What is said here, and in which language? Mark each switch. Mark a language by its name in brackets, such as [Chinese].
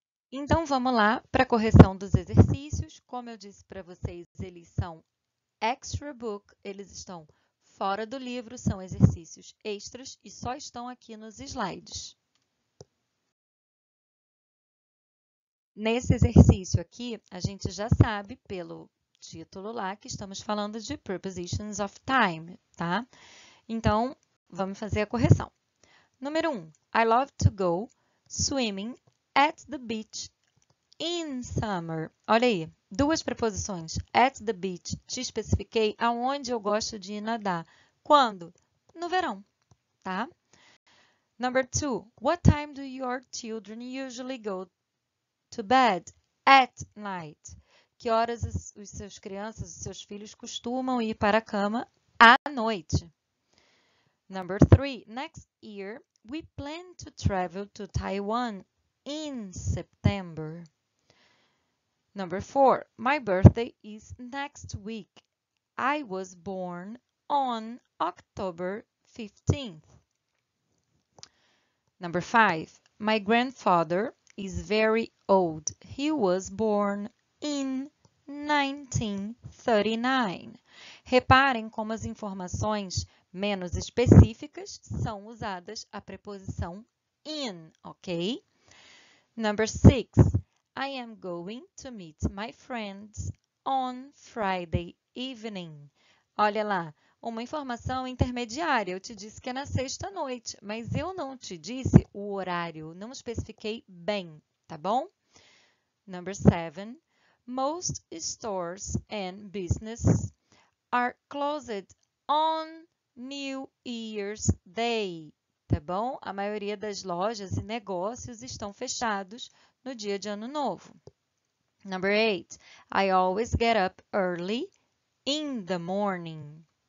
[Portuguese] Então, vamos lá para a correção dos exercícios. Como eu disse para vocês, eles são extra book, eles estão fora do livro, são exercícios extras e só estão aqui nos slides. Nesse exercício aqui, a gente já sabe, pelo título lá, que estamos falando de [English] prepositions of time, [Portuguese] tá? Então, vamos fazer a correção. Número 1. [English] I love to go swimming at the beach. In summer, [Portuguese] olha aí, duas preposições. [English] At the beach, [Portuguese] te especifiquei aonde eu gosto de ir nadar. Quando? No verão, tá? [English] Number 2. What time do your children usually go to bed at night? [Portuguese] Que horas os seus crianças, os seus filhos costumam ir para a cama à noite? [English] Number 3. Next year, we plan to travel to Taiwan in September. Number 4. My birthday is next week. I was born on October 15th. Number 5. My grandfather is very old. He was born in 1939. [Portuguese] Reparem como as informações menos específicas são usadas a preposição in, ok? [English] Number 6. I am going to meet my friends on Friday evening. [Portuguese] Olha lá, uma informação intermediária. Eu te disse que é na sexta noite, mas eu não te disse o horário, não especifiquei bem. Tá bom? [English] Number 7. Most stores and businesses are closed on New Year's Day. [Portuguese] Tá bom? A maioria das lojas e negócios estão fechados no dia de Ano Novo. [English] Number 8. I always get up early in the morning.